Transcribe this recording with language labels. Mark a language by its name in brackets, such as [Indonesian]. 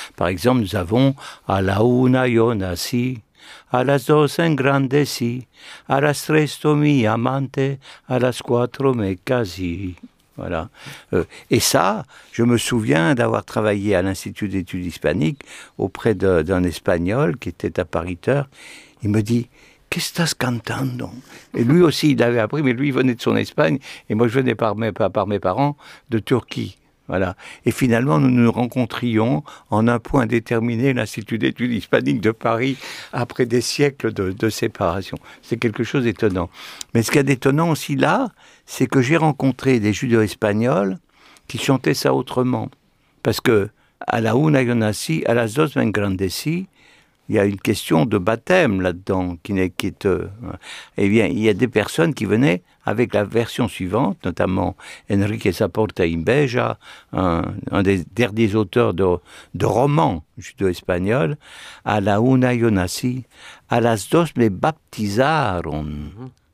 [French] Par exemple, nous avons [Ladino] « A la una yo nací, a las dos engrandecí, a las tres tomi amante, a las cuatro me casi ». [French] Voilà. Et ça, je me souviens d'avoir travaillé à l'Institut d'études hispaniques auprès d'un Espagnol qui était appariteur. Il me dit « [Spanish] ¿Qué estás cantando ?» [French] Et lui aussi, il l'avait appris, mais lui, il venait de son Espagne. Et moi, je venais par mes parents de Turquie. Voilà. Et finalement, nous nous rencontrions en un point déterminé, l'Institut d'études hispaniques de Paris, après des siècles de séparation. C'est quelque chose d'étonnant. Mais ce qu'il y a d'étonnant aussi là, c'est que j'ai rencontré des judéo-espagnols qui chantaient ça autrement. Parce que, [Ladino] à la una yo nací, a las dos me engrandecí, [French] il y a une question de baptême là-dedans qui n'est quitte. Eh bien, il y a des personnes qui venaient avec la version suivante, notamment Enrique Saporta Imbeja, un des derniers auteurs de romans judo-espagnols. [Ladino] A la una yo nací, a las dos me baptizaron.